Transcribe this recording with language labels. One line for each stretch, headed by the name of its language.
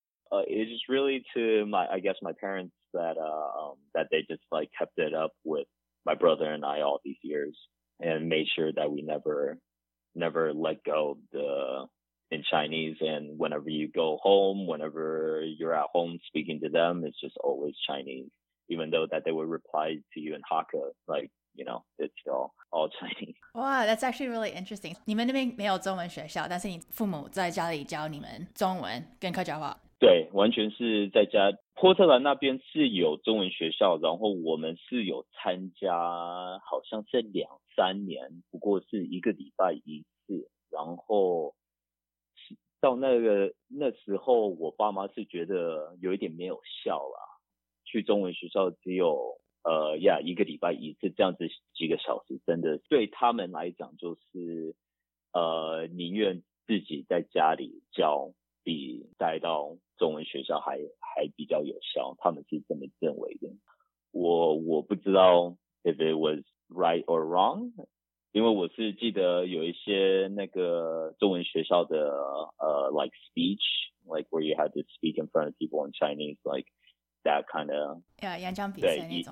English: It's just really to my, I guess, my parents that that they just like kept it up with my brother and I all these years and made sure that we never let go of the in Chinese. And whenever you go home, whenever you're at home speaking to them, it's just always Chinese, even though that they would reply to you in Hakka, like, you know, it's all Chinese. Wow, that's actually really interesting.
Chinese: 你们那边没有中文学校，但是你父母在家里教你们中文跟客家话。对，完全是在家。波特兰那边是有中文学校，然后我们是有参加，好像是2-3年，不过是一个礼拜一次。然后到那个那时候，我爸妈是觉得有一点没有效啦，去中文学校只有一个礼拜一次，这样子几个小时，真的对他们来讲就是宁愿自己在家里教，比带到中文学校还比较有效，他们是这么认为的。我不知道
English: if it was right or wrong，
Chinese: 因为我是记得有一些那个中文学校的
English: like speech， like where you had to speak in front of people in Chinese， like that kind of
Chinese: 演讲比赛那种，